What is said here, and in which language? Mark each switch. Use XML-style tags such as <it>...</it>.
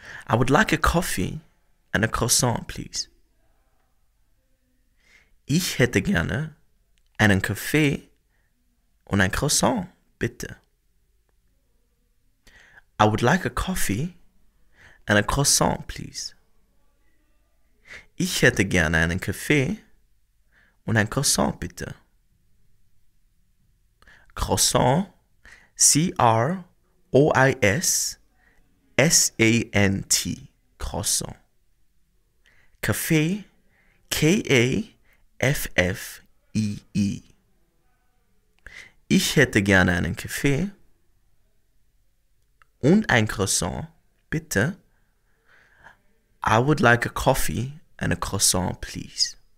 <en>I would like a coffee and a croissant, please.</en> <de>Ich hätte gerne einen Kaffee und ein Croissant, bitte.</de> <en>I would like a coffee and a croissant, please.</en> <de>Ich hätte gerne einen Kaffee und ein Croissant, bitte. Croissant, C-R-O-I-S-S-A-N-T, croissant. Kaffee, K-A-F-F-E-E. Ich hätte gerne einen Kaffee und ein Croissant, bitte.</de> <en>I would like a coffee and a croissant, please.</en>